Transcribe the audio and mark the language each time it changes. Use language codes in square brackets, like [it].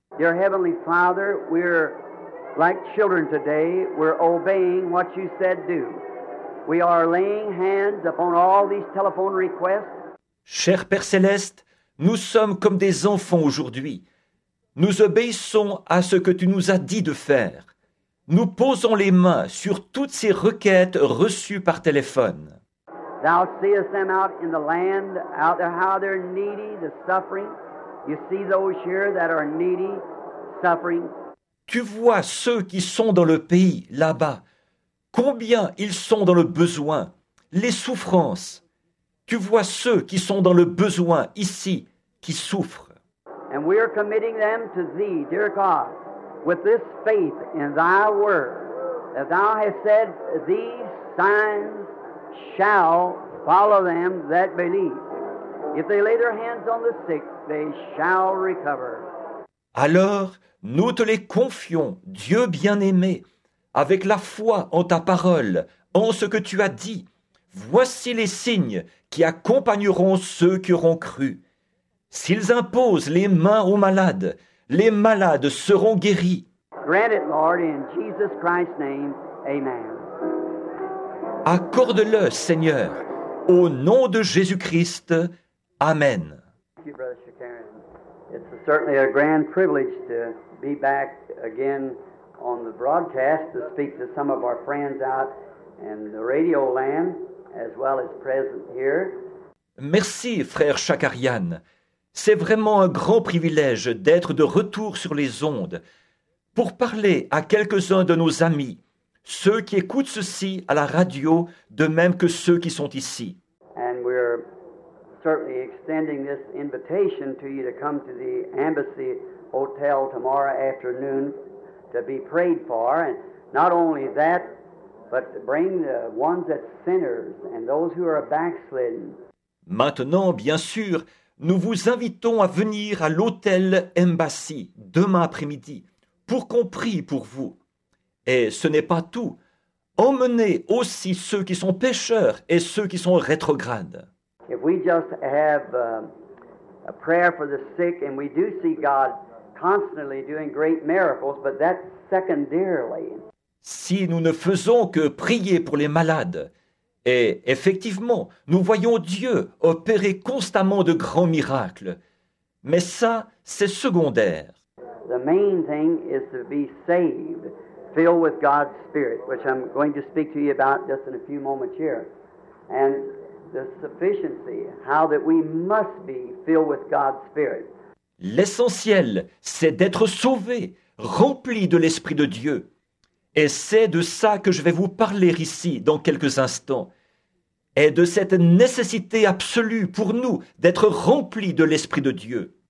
[en] Dear Heavenly Father, we're like children today, we're obeying what you said do. We are laying hands upon all these telephone requests. [fr] Cher Père Céleste, nous sommes comme des enfants aujourd'hui. Nous obéissons à ce que tu nous as dit de faire. Nous posons les mains sur toutes ces requêtes reçues par téléphone. [en] Thou seest them out in the land, out there how they're needy, the suffering. You see those here that are needy, suffering. [fr] Tu vois ceux qui sont dans le pays, là-bas. Combien ils sont dans le besoin, les souffrances. Tu vois ceux qui sont dans le besoin, ici, qui souffrent. [en] And we are committing them to thee, dear God, with this faith in thy word, that thou hast said, these signs shall follow them that believe. If they lay their hands on the sick, they shall recover. [fr] Alors, nous te les confions, Dieu bien-aimé, avec la foi en ta parole, en ce que tu as dit. Voici les signes qui accompagneront ceux qui auront cru. S'ils imposent les mains aux malades, les malades seront guéris. [en] Grant it, Lord, in Jesus Christ's name, amen. [fr] Accorde-le, Seigneur, au nom de Jésus-Christ, amen. [en] Thank you, Brother Shakarian. It's certainly a grand privilege to be back again on the broadcast to speak to some of our friends out in the radio land as well as present here. [fr] Merci, frère Shakarian. C'est vraiment un grand privilège d'être de retour sur les ondes pour parler à quelques-uns de nos amis, ceux qui écoutent ceci à la radio, de même que ceux qui sont ici. [en] And we're certainly extending this invitation to you to come to the Embassy Hotel tomorrow afternoon to be prayed for, and not only that, but to bring the ones that sinners and those who are backslidden. [fr] Maintenant, bien sûr, nous vous invitons à venir à l'hôtel Embassy demain après-midi pour qu'on prie pour vous. Et ce n'est pas tout. Emmenez aussi ceux qui sont pécheurs et ceux qui sont rétrogrades. [en] If we just have a prayer for the sick and we do see God constantly doing great miracles, but that's secondarily. [fr] Si nous ne faisons que prier pour les malades, et effectivement, nous voyons Dieu opérer constamment de grands miracles. Mais ça, c'est secondaire. [en] The main thing is to be saved, filled with God's Spirit, which I'm going to speak to you about just in a few moments here. And the sufficiency, how that we must be filled with God's Spirit. [fr] L'essentiel, c'est d'être sauvé, rempli de l'Esprit de Dieu. Et c'est de ça que je vais vous parler ici dans quelques instants. Et de cette nécessité absolue pour nous d'être remplis de l'Esprit de Dieu.